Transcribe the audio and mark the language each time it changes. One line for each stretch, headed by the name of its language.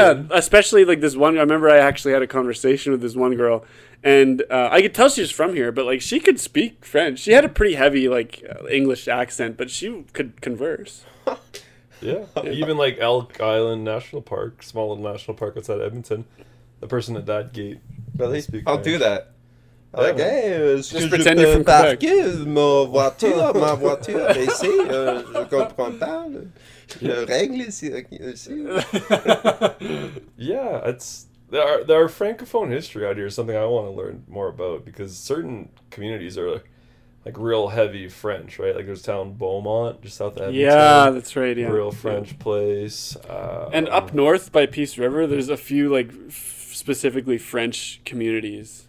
English: especially like this one... I remember I actually had a conversation with this one girl, and I could tell she was from here, but like she could speak French. She had a pretty heavy like English accent, but she could converse. Yeah, even like Elk Island National Park, small little national park outside Edmonton, the person at that gate. Really? I'll do that. Yeah. Like, hey, just pretend you're from Quebec. Give
French: ma voiture, ici, je comprends pas, le règle ici.
English: Yeah, it's there are Francophone history out here is something I want to learn more about, because certain communities are like real heavy French, right? Like there's town Beaumont, just south of Edmonton. Yeah, that's right. Yeah, real French place. And up north by Peace River, there's a few like specifically French communities.